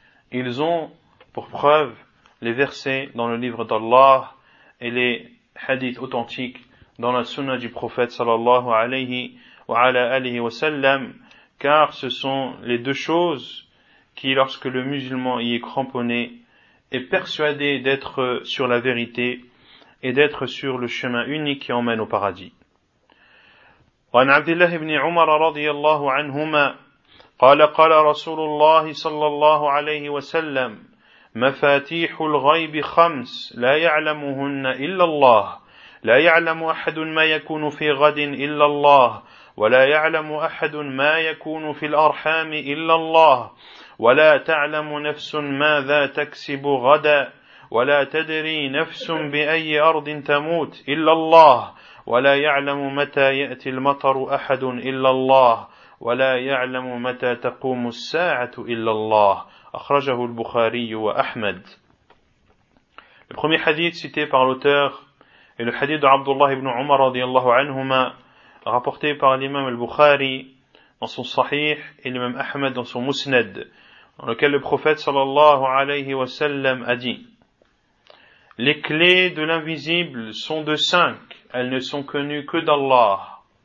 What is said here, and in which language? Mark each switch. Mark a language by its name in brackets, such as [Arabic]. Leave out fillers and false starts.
[French] Ils ont pour preuve les versets dans le livre d'Allah et les hadiths authentiques dans la sunna du prophète sallallahu alayhi wa alayhi wa sallam, car ce sont les deux choses qui, lorsque le musulman y est cramponné, est persuadé d'être sur la vérité et d'être sur le chemin unique qui emmène au paradis. [Arabic] وعن عبد الله بن عمر رضي الله عنهما قال قال رسول الله صلى الله عليه وسلم مفاتيح الغيب خمس لا يعلمهن إلا الله لا يعلم أحد ما يكون في غد إلا الله ولا يعلم أحد ما يكون في الأرحام إلا الله ولا تعلم نفس ماذا تكسب غدا ولا تدري نفس بأي أرض تموت إلا الله ولا يعلم متى يأتي المطر أحد إلا الله ولا يعلم متى تقوم الساعة إلا الله أخرجه البخاري وأحمد. [French] Le premier hadith cité par l'auteur est le hadith d'Abdullah ibn Umar [Arabic] رضي الله عنهما, [French] rapporté par l'imam al-Bukhari dans son Sahih et l'imam Ahmed dans son Musnad, dans lequel le prophète [Arabic] صلى الله عليه وسلم [French] a dit: les clés de l'invisible sont de 5, elles ne sont connues que d'Allah.